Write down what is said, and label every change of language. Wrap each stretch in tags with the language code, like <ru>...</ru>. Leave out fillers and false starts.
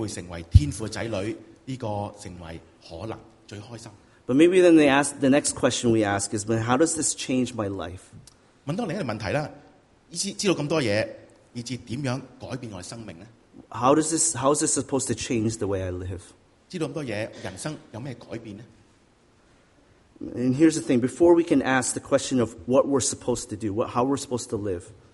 <zh>讓我機會成為天父的子女, 這個成為可能, 最開心。</zh> <en>But maybe then they ask, the next question we ask is, how does this change my life?</en> <zh>問多另一個問題啦, 知道這麼多東西, 以致怎樣改變我的生命呢?</zh> <en>How is this supposed to change the way I live?</en> <zh>知道這麼多東西, 人生有什麼改變呢?</zh> <en>And here's the thing, before we can ask the question of what we're supposed to do, how we're supposed to live,</en>